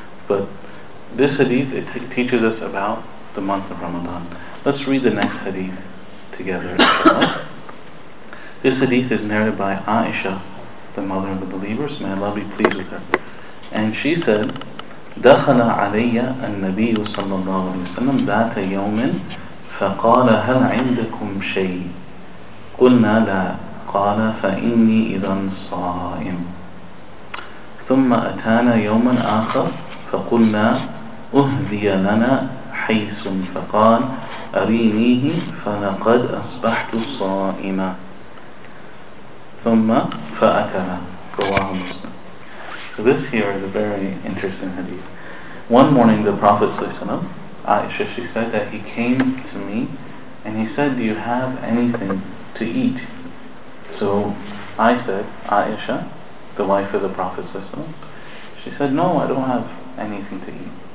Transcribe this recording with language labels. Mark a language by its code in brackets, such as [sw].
[en] But this hadith, it teaches us about the month of Ramadan. Let's read the next hadith together. This hadith is narrated by Aisha, the mother of the believers. May Allah be pleased with her. And she said, [ar] دخل علي النبي صلى الله عليه وسلم ذات يوم فقال هل عندكم شيء قلنا لا قال فإني إذا صائم ثم أتانا يوما آخر فقلنا أهدي لنا حيث فقال أرينيه فلقد أصبحت صائما ثم فأكل رواه مسلم. [en] So this here is a very interesting hadith. One morning the Prophet ﷺ, Aisha, she said that he came to me and he said, do you have anything to eat? So I said, Aisha, the wife of the Prophet ﷺ, she said, no, I don't have anything to eat.